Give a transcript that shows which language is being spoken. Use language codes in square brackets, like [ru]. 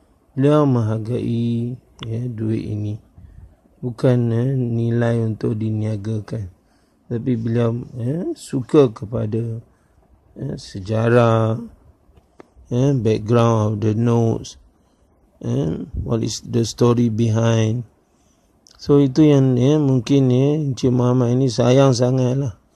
[ms] Beliau menghargai duit ini. Bukan nilai untuk diniagakan. Tapi beliau suka kepada sejarah, [en] background of the notes. What is the story behind? [ms] So itu yang mungkin Encik Muhammad ini sayang sangat lah.